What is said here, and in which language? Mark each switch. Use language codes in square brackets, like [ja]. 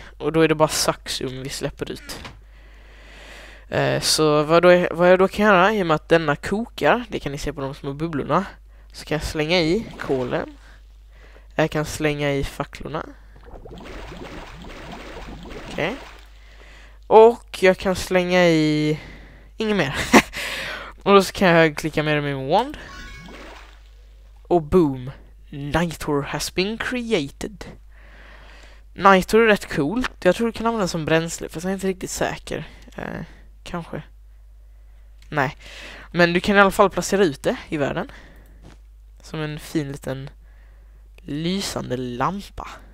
[sv] och då är det bara saxum vi släpper ut. Så vad, då är, vad jag då kan göra i och med att denna kokar, det kan ni se på de små bubblorna, så kan jag slänga i kolen. Jag kan slänga i facklorna. Okej. Okay. Och jag kan slänga i... inget mer. Och då så kan jag klicka med min wand. [en] Och boom, Nightor has been created. [sv] Nightor är rätt coolt. Jag tror du kan använda som bränsle, för jag är inte riktigt säker. Kanske. Nej. Men du kan i alla fall placera ut det i världen. Som en fin liten lysande lampa.